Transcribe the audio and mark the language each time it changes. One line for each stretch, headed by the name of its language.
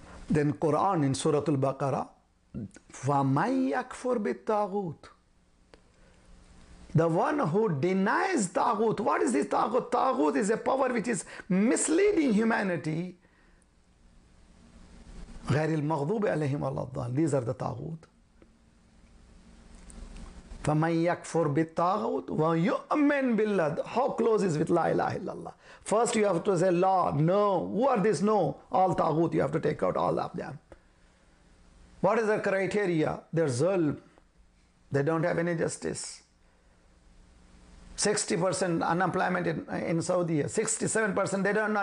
English: Then Quran in Surah Al-Baqarah,
Arabic: فَمَنْ يَكْفُرْ بِالْتَاغُوتِ.
English: The one who denies Taghut. What is this Taghut? Taghut is a power which is misleading humanity.
Arabic: غير المغضوب عليهم ولا الضال.
English: These are the تاغوت.
Arabic: فمن يكفر بالتاغوت ويؤمن بالله.
English: How close is with
Arabic: لا إله إلا الله.
English: First you have to say لا, no. Who are these no? All تاغوت, you have to take out all of them. What is the criteria? They're ظلم. They don't have any justice. 60% unemployment in Saudi. 67%, they don't know.